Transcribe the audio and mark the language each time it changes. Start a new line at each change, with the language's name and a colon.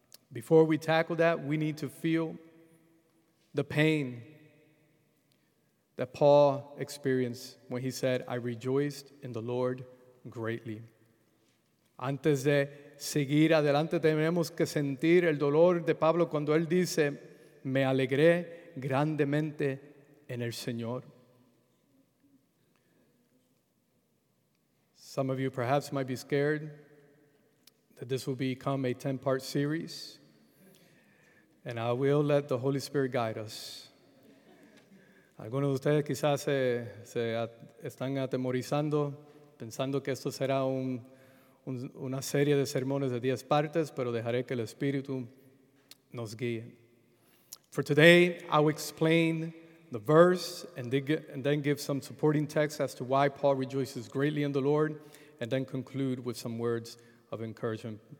English: Before we tackle that, we need to feel the pain that Paul experienced when he said, I rejoiced in the Lord greatly.
Spanish: Antes de seguir adelante, tenemos que sentir el dolor de Pablo cuando él dice, me alegré grandemente en el Señor.
English: Some of you perhaps might be scared that this will become a 10-part series, and I will let the Holy Spirit guide us.
Spanish: Algunos de ustedes quizás se están atemorizando, pensando que esto será una serie de sermones de 10 partes, pero dejaré que el Espíritu nos guíe.
English: For today, I'll explain the verse and then give some supporting text as to why Paul rejoices greatly in the Lord, and then conclude with some words of encouragement.